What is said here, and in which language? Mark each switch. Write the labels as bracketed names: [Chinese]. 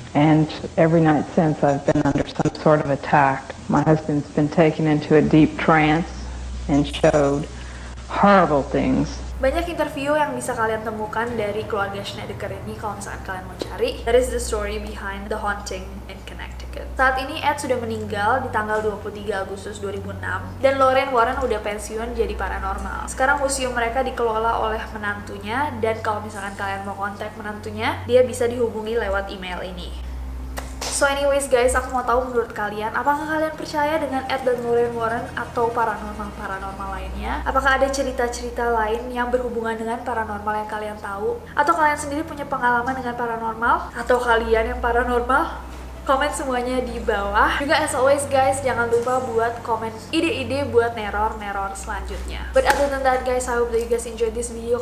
[English] And every night since I've been under some sort of attack, my husband's been taken into a deep trance and showed horrible things. [Indonesian] Banyak interview yang bisa kalian temukan dari keluarga Schnedeker ini kalau misalkan kalian mau cari. [English] That is the story behind the haunting in Connecticut. [Indonesian] Saat ini Ed sudah meninggal di tanggal 23 Agustus 2006 dan Lauren Warren udah pensiun jadi paranormal. Sekarang museum mereka dikelola oleh menantunya dan kalau misalkan kalian mau kontak menantunya, dia bisa dihubungi lewat email ini. [English] So anyways guys, [Indonesian] aku mau tahu menurut kalian, apakah kalian percaya dengan Ed dan Lauren Warren atau paranormal-paranormal lainnya? Apakah ada cerita-cerita lain yang berhubungan dengan paranormal yang kalian tahu? Atau kalian sendiri punya pengalaman dengan paranormal? Atau kalian yang paranormal? Komen semuanya di bawah. Juga [English] as always guys, [Indonesian] jangan lupa buat komen ide-ide buat neror-neror selanjutnya. [English] But other than that guys, I hope that you guys enjoyed this video.